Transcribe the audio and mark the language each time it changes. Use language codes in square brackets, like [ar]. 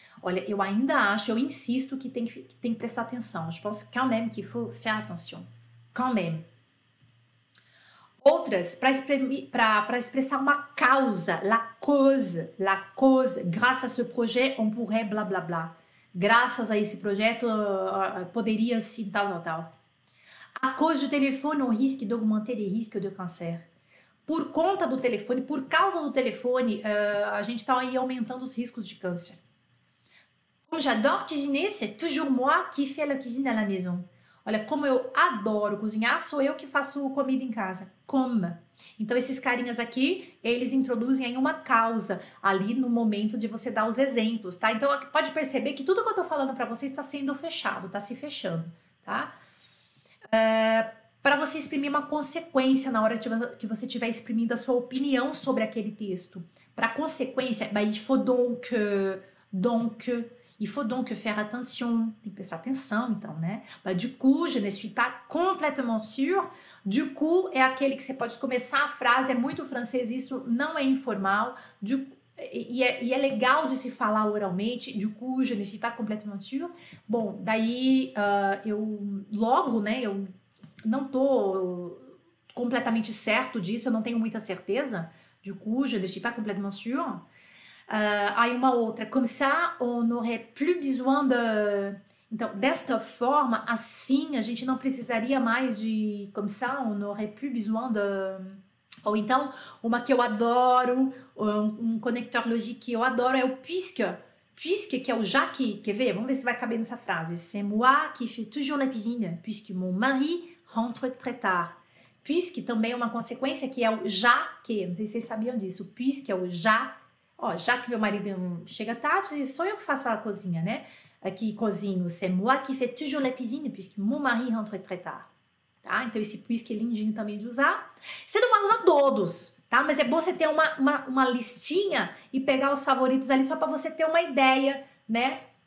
[pt] Olha, eu ainda acho, eu insisto que tem que prestar atenção. [fr] Je pense quand même qu'il faut faire attention. Quand même. [pt] Outras, para expressar uma causa, [fr] la cause, grâce à ce projet, on pourrait blá blá blá. [pt] Graças a esse projeto, poderia sim, tal, tal, tal. [fr] A cause du téléphone, on risque d'augmenter les risques de cancer. [pt] Por conta do telefone, por causa do telefone, a gente está aí aumentando os riscos de câncer. [fr] Comme j'adore cuisiner, c'est toujours moi qui fais la cuisine à la maison. [pt] Olha, como eu adoro cozinhar, sou eu que faço comida em casa. Como? Então, esses carinhas aqui, eles introduzem aí uma causa ali no momento de você dar os exemplos, tá? Então, pode perceber que tudo que eu tô falando pra você está sendo fechado, tá se fechando, tá? Pra você exprimir uma consequência na hora que você estiver exprimindo a sua opinião sobre aquele texto. Pra consequência, [fr] bah, il faut donc faire attention. [pt] Tem que prestar atenção, então, né? [fr] Bah, du coup, je ne suis pas complètement sûr. [pt] Du coup é aquele que você pode começar a frase, é muito francês, isso não é informal. E é legal de se falar oralmente. [fr] Du coup, je ne suis pas complètement sûr. [pt] Bom, daí eu logo, né? Eu não tô completamente certo disso, eu não tenho muita certeza. [fr] Du coup, je ne suis pas complètement sûr. [pt] Aí uma outra. [fr] Comme ça, on n'aurait plus besoin de... [pt] Então, desta forma, assim, a gente não precisaria mais de... [fr] Comme ça, on n'aurait plus besoin de... [pt] Ou então, uma que eu adoro, um conector logique que eu adoro, é o puisque. Puisque, que é o já que... Quer ver? Vamos ver se vai caber nessa frase. [fr] C'est moi qui fais toujours la cuisine, puisque mon mari rentre très tard. [pt] Puisque também é uma consequência que é o já que. Não sei se vocês sabiam disso. Puisque é o já. Ó, já que meu marido chega tarde, sou eu que faço a cozinha, né? Aqui cozinho. [fr] C'est moi qui fais toujours la cuisine, puisque mon mari rentre très tard. [pt] Tá? Então esse puisque é lindinho também de usar. Você não vai usar todos, tá? Mas é bom você ter uma listinha e pegar os favoritos ali só para você ter uma ideia, né?